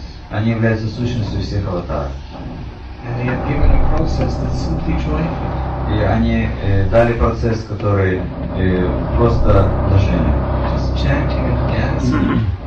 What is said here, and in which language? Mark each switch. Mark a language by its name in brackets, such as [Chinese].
[Russian] Они являются сущностью всех аватар. [English] And they have given a process that's simply joyful. [Russian] И они дали процесс, который просто блажение. [English] Just chanting and dancing.